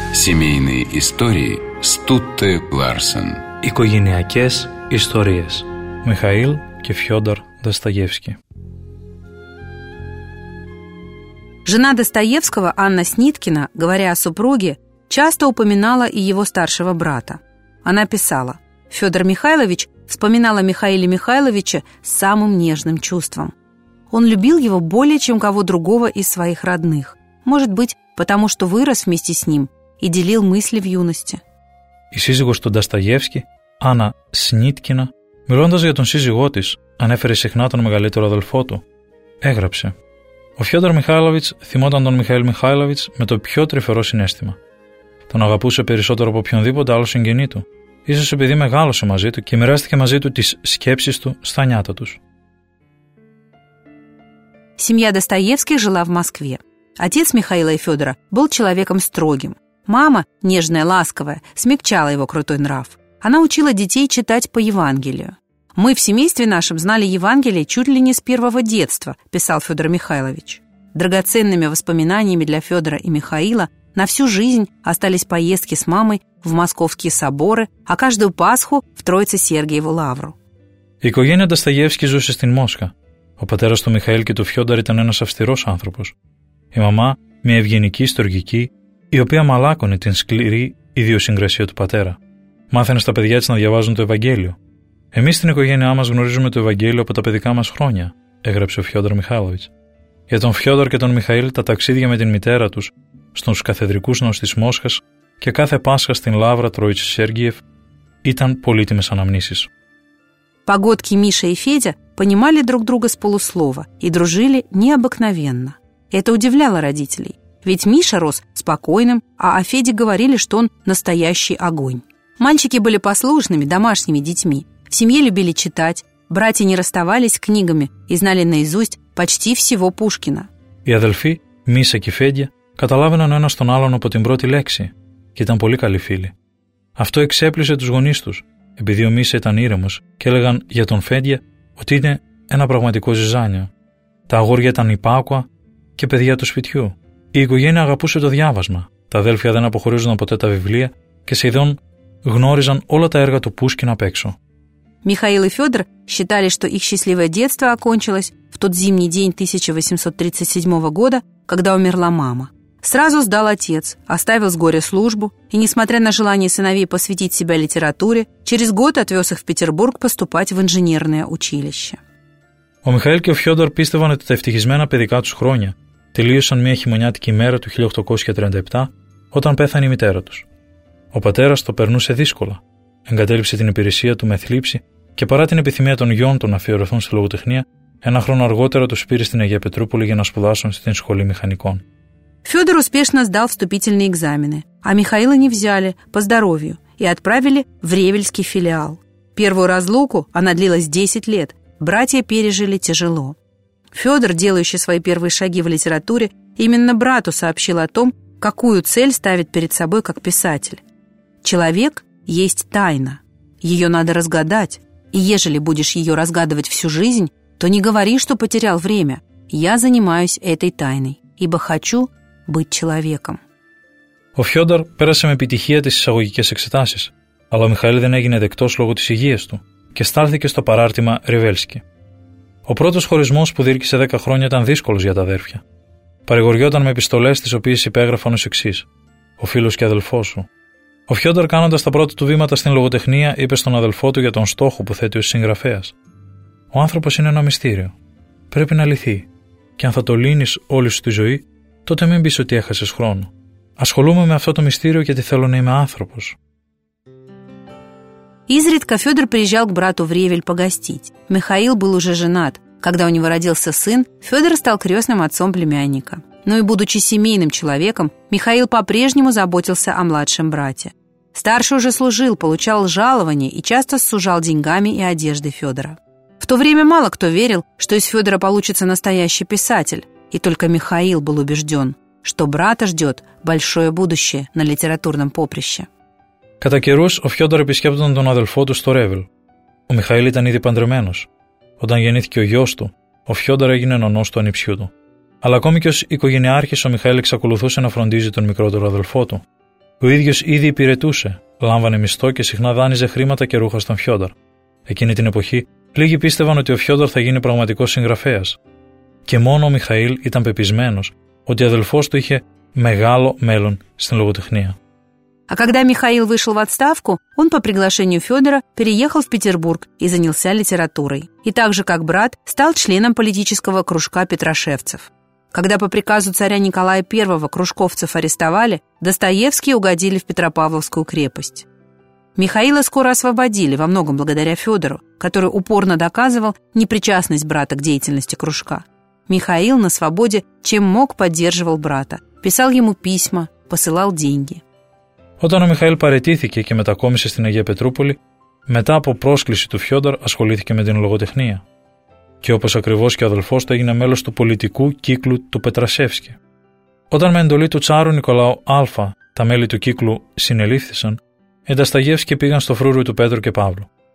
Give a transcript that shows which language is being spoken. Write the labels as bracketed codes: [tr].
[ru] Семейные истории Стутте Ларсен. [el] Οικογενειακές ιστορίες. Михаил και Φιόντορ Δασταγεύσκι. [ru] Жена Достоевского, Анна Сниткина, говоря о супруге, часто упоминала и его старшего брата. Она писала: «Федор Михайлович вспоминал о Михаиле Михайловиче с самым нежным чувством. Он любил его более чем кого другого из своих родных. Может быть, потому что вырос вместе с ним и делил мысли в юности». [el] Η σύζυγος του Νταστογεύσκη, Άννα Σνίτκινα, μιλώντας για τον σύζυγό της, ανέφερε συχνά τον μεγαλύτερο αδελφό του. Έγραψε: «Ο Φιόντορ Μιχάιλοβιτς θυμόταν τον Μιχαήλ Μιχάιλοβιτς με το πιο τρυφερό συνέστημα. Τον αγαπούσε περισσότερο από οποιονδήποτε άλλο συγγενή του, ίσως επειδή μεγάλωσε μαζί του και μοιράστηκε μαζί του τις σκέψεις του στα νιάτα τους». Η [ru] семья Достоевских жила в Москве. Отец Михаила и Фёдора был человеком строгим. Мама, нежная, ласковая, смягчала его крутой нрав. Она учила детей читать по Евангелию. «Мы в семействе нашем знали Евангелие чуть ли не с первого детства», – писал Федор Михайлович. Драгоценными воспоминаниями для Федора и Михаила на всю жизнь остались поездки с мамой в московские соборы, а каждую Пасху – в Троице-Сергиеву лавру. [el] Η οικογένεια Досταевски ζούσε στην Μόσχα. Ο πατέρας του Михаήλ και του Φιόντορ ήταν ένας αυστηρός άνθρωπος. Η μαμά, μια ευγενική, στοργική, η οποία μαλάκωνε την σκληρή ιδιοσυγκρασία του πατέρα. Μάθαινε στα παιδιά της να διαβάζουν το Ευαγγέλιο. «Εμείς στην οικογένειά μας γνωρίζουμε το Ευαγγέλιο από τα παιδικά μας χρόνια», έγραψε ο Φιόντορ Μιχάλοβιτς. Για τον Φιόντορ και τον Μιχαήλ, τα ταξίδια με την μητέρα τους στους καθεδρικούς ναούς της Μόσχας και κάθε Πάσχα στην Λαύρα Τρόιτσι-Σέργιεφ ήταν πολύτιμες αναμνήσεις. [ru] Παγκότκι, Миша и Федя понимали друг друга с полуслова и дружили необыкновенно. Это удивляло родителей. Ведь Миша рос спокойным, а о Феде говорили, что он настоящий огонь. Мальчики были послушными, домашними детьми. В семье любили читать. Братья не расставались с книгами и знали наизусть почти всего Пушкина. [el] Οι αδελφοί, Миша και Федя, καταλάβαιναν ένας τον άλλον από την πρώτη λέξη και ήταν πολύ καλοί φίλοι. Αυτό εξέπλησε τους γονείς τους, επειδή ο Миша ήταν ήρεμος και έλεγαν για τον Федя ότι είναι ένα πραγματικό ζυζάνιο. Τα αγόρια ήταν υπάκουα και παιδιά του σπιτιού. Η οικογένεια αγαπούσε το διάβασμα. Τα αδέλφια δεν αποχωρίζονταν ποτέ τα βιβλία και σχεδόν γνώριζαν όλα τα έργα του Πούσκιν απ' έξω. [ru] Михаил и Федор считали, что их счастливое детство окончилось в тот зимний день 1837 года, когда умерла мама. Сразу сдал отец, оставил с горя службу и, несмотря на желание сыновей посвятить себя литературе, через год отвез их в Петербург поступать в инженерное училище. [el] Ο Михаήλ και ο Φιόντορ πίστευαν ότι τα ευτυχισμένα παιδικά τους χρόνια τελείωσαν μια χειμωνιάτικη ημέρα του 1837, όταν πέθανε η μητέρα τους. Ο πατέρας το περνούσε δύσκολα. Εγκατέλειψε την υπηρεσία του με θλίψη και παρά την επιθυμία των γιών του να αφιερωθούν στη λογοτεχνία, ένα χρόνο αργότερα τους πήρε στην Αγία Πετρούπολη για να σπουδάσουν στην σχολή μηχανικών. [ru] Φιόντορ успешно сдал вступительные экзамены, а Михаила не взяли по здоровью и отправили в Ревельский филиал. Первую разлуку, она длилась 10 лет, братья пережили тяжело. Федор, делающий свои первые шаги в литературе, именно брату сообщил о том, какую цель ставит перед собой как писатель. Человек есть тайна. Ее надо разгадать. И ежели будешь ее разгадывать всю жизнь, то не говори, что потерял время. Я занимаюсь этой тайной, ибо хочу быть человеком. [el] Ο Фьодор пέρασε με επιτυχία τις εισαγωγικές εξετάσεις, αλλά ο Михаил δεν έγινε δεκτός λόγω της υγείας του και στάλθηκε στο παράρτημα Ριβέλσκι. Ο πρώτος χωρισμός που διήρκησε 10 χρόνια ήταν δύσκολος για τα αδέρφια. Παρηγοριόταν με επιστολές τις οποίες υπέγραφαν ως εξής: «Ο φίλος και αδελφός σου». Ο Φιόντορ, κάνοντας τα πρώτα του βήματα στην λογοτεχνία, είπε στον αδελφό του για τον στόχο που θέτει ως συγγραφέας: «Ο άνθρωπος είναι ένα μυστήριο. Πρέπει να λυθεί. Και αν θα το λύνεις όλη σου τη ζωή, τότε μην πεις ότι έχασες χρόνο. Ασχολούμαι με αυτό το μυστήριο γιατί θέλω να είμαι άνθρωπος». [ru] Изредка Федор приезжал к брату в Ревель погостить. Михаил был уже женат. Когда у него родился сын, Федор стал крестным отцом племянника. Но и будучи семейным человеком, Михаил по-прежнему заботился о младшем брате. Старший уже служил, получал жалование и часто сужал деньгами и одеждой Федора. В то время мало кто верил, что из Федора получится настоящий писатель. И только Михаил был убежден, что брата ждет большое будущее на литературном поприще. [el] Κατά καιρούς, ο Φιόντορ επισκέπτονταν τον αδελφό του στο Ρέβελ. Ο Μιχαήλ ήταν ήδη παντρεμένος. Όταν γεννήθηκε ο γιος του, ο Φιόντορ έγινε νονός του ανιψιού του. Αλλά ακόμη και ως οικογενειάρχης, ο Μιχαήλ εξακολουθούσε να φροντίζει τον μικρότερο αδελφό του. Ο ίδιος ήδη υπηρετούσε, λάμβανε μισθό και συχνά δάνειζε χρήματα και ρούχα στον Φιόντορ. Εκείνη την εποχή, λίγοι πίστευαν ότι ο Φιόντορ θα γίνει πραγματικός συγγραφέας. Και μόνο ο Μιχαήλ ήταν πεπισμένος ότι ο αδελφός του είχε μεγάλο μέλλον στην λογοτεχνία. [ru] А когда Михаил вышел в отставку, он по приглашению Федора переехал в Петербург и занялся литературой. И так же, как брат, стал членом политического кружка петрашевцев. Когда по приказу царя Николая I кружковцев арестовали, Достоевские угодили в Петропавловскую крепость. Михаила скоро освободили, во многом благодаря Федору, который упорно доказывал непричастность брата к деятельности кружка. Михаил на свободе чем мог поддерживал брата, писал ему письма, посылал деньги. [el] Όταν ο Μιχαήλ παραιτήθηκε και μετακόμισε στην Αγία Πετρούπολη, μετά από πρόσκληση του Φιόντορ ασχολήθηκε με την λογοτεχνία. Και όπως ακριβώς και ο αδελφός του έγινε μέλος του πολιτικού κύκλου του Πετρασεύσκη. Όταν με εντολή του τσάρου Νικολάου Α, τα μέλη του κύκλου συνελήφθησαν, οι Δασταγεύσκοι πήγαν στο φρούριο του Πέτρου και Παύλου.